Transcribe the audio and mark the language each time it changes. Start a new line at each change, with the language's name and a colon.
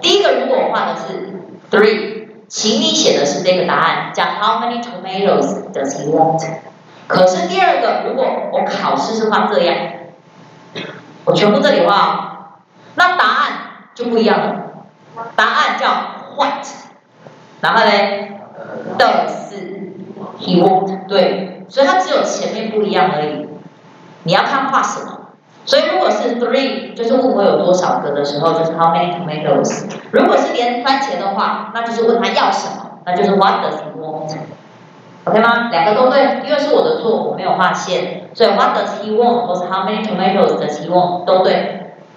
Chinese: 第一个，如果我画的是 three， 请你写的是这个答案，讲
English: how many tomatoes does he want？
Chinese: 可是第二个，如果我考试是画这样，我全部这里画，那答案就不一样了，答案叫 what。然后嘞 ，
English: does he want？
Chinese: 对，所以它只有前面不一样而已。你要看画什么。所以如果是 three， 就是问我有多少个的时候，就是 how many tomatoes。如果是连番茄的话，那就是问他要什么，那就是
English: what does he want？
Chinese: OK 吗？两个都对，因为是我的错，我没有画线，所以
English: what does he want
Chinese: 或是
English: how many tomatoes does he want
Chinese: 都对。